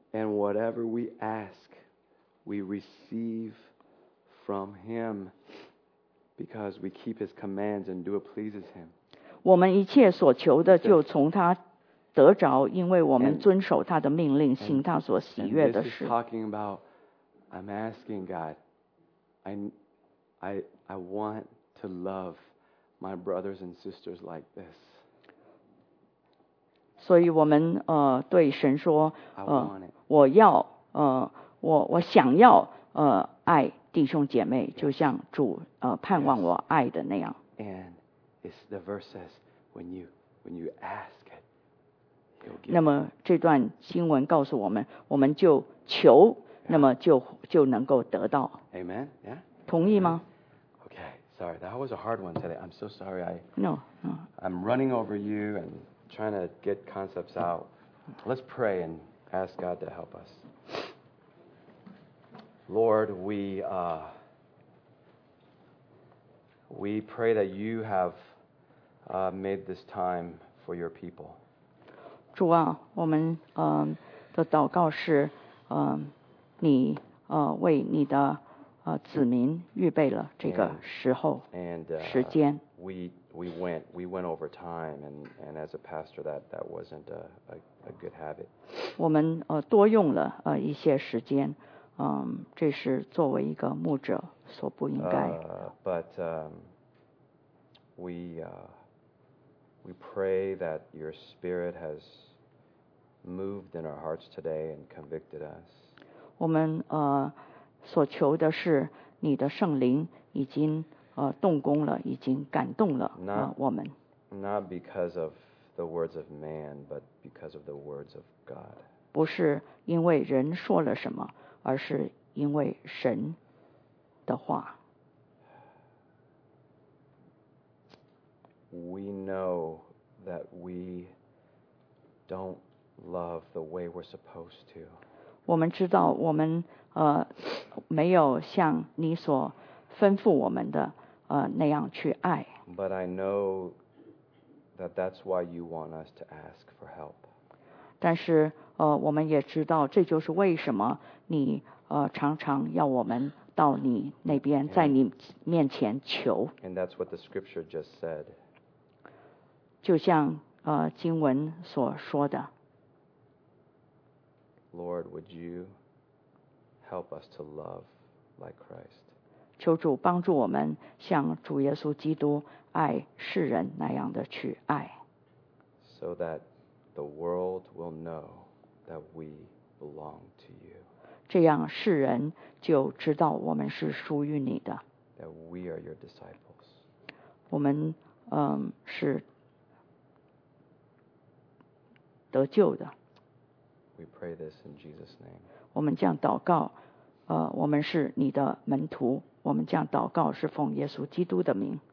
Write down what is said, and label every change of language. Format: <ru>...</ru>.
<en>and whatever we ask we receive from him because we keep his commands and do what pleases him</en> <zh>我们一切所求的就从他得着，因为我们遵守他的命令，行他所喜悦的事。</zh> <en>This is talking about, I'm asking God, I want to love my brothers and sisters like this.</en> <zh>所以我们对神说，我要我想要爱弟兄姐妹，就像主盼望我爱的那样。</zh> <en>And it's the verse says, when you ask.</en> <zh>那么这段经文告诉我们，我们就求，那么就能够得到。</zh> <en>Amen. Yeah.</en> <zh>同意吗</zh> <en>？Okay. Sorry, that was a hard one today. I'm so sorry. No. I'm running over you and trying to get concepts out. Let's pray and ask God to help us. Lord, we pray that you have made this time for your people.</en> <zh>主啊，我们的祷告是，你为你的子民预备了这个时候</zh> <en>and</en> <zh>时间。</zh> <en>We went over time, and as a pastor, that wasn't a good habit.</en> <zh>我们多用了一些时间，这是作为一个牧者所不应该。</zh> <en>But we pray that your spirit has. Moved in our hearts today and convicted us.</en> <zh>我们所求的是你的圣灵已经动工了，已经感动了我们。</zh> <en>Not because of the words of man, but because of the words of God.</en> <zh>不是因为人说了什么，而是因为神的话。</zh> <en>We know that we don't. Love the way we're supposed to.</en> <zh>我们知道我们没有像你所吩咐我们的那样去爱。</zh> <en>But I know that that's why you want us to ask for help.</en> <zh>但是我们也知道这就是为什么你常常要我们到你那边在你面前求。</zh> <en>And that's what the scripture just said.</en> <zh>就像经文所说的。</zh> <en>Lord, would you help us to love like Christ?</en> <zh>求主帮助我们像主耶稣基督爱世人那样的去爱。</zh> <en>So that the world will know that we belong to you.</en> <zh>这样世人就知道我们是属于你的。</zh> <en>That we are your disciples.</en> <zh>我们是得救的。</zh> <en>We pray this in Jesus' name.</en> <zh>我们这样祷告，我们是你的门徒，我们这样祷告是奉耶稣基督的名。</zh>